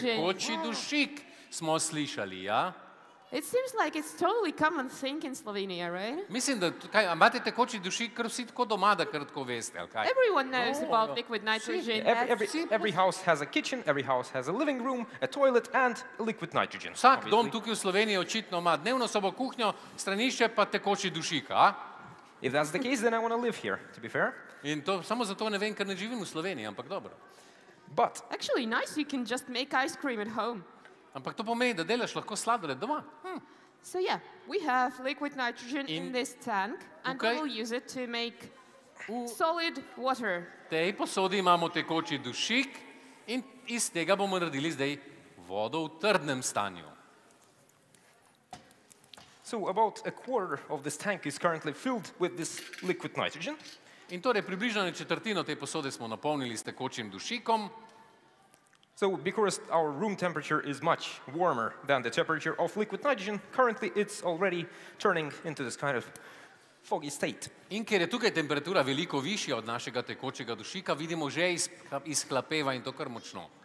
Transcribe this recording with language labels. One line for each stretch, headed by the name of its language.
Slovenian: Tekoči dušik smo slišali, ja?
English: It seems like it's totally common thing in Slovenia, right?
Slovenian: Mislim, da kaj, imate tekoči dušik, ker vsi tako doma, da kar tako veste, ali kaj?
English: Everyone knows about liquid nitrogen. Every house has a kitchen, every house has a living room, a toilet and liquid nitrogen.
Slovenian: Vsak dom tukaj v Sloveniji očitno ima dnevno sobo, kuhnjo, stranišče pa tekoči dušik, a?
English: If that's the case, then I want to live here, to be fair.
Slovenian: In to samo zato ne vem, ker ne živim v Sloveniji, ampak dobro.
English: But... Actually, nice, you can just make ice cream at home.
Slovenian: Ampak to pomeni, da delaš lahko sladoled doma.
English: So yeah, we have liquid nitrogen in this tank and we will use it to make solid water.
Slovenian: V tej posodi imamo tekoči dušik in iz tega bomo naredili zdaj vodo v trdnem stanju.
English: So about a quarter of this tank is currently filled with this liquid nitrogen.
Slovenian: In torej približno četrtino te posode smo napolnili s tekočim dušikom.
English: So because our room temperature is much warmer than the temperature of liquid nitrogen, currently it's already turning into this kind of foggy state.
Slovenian: In ker je tukaj temperatura veliko višja od našega tekočega dušika, vidimo že izhlapeva in to kar močno.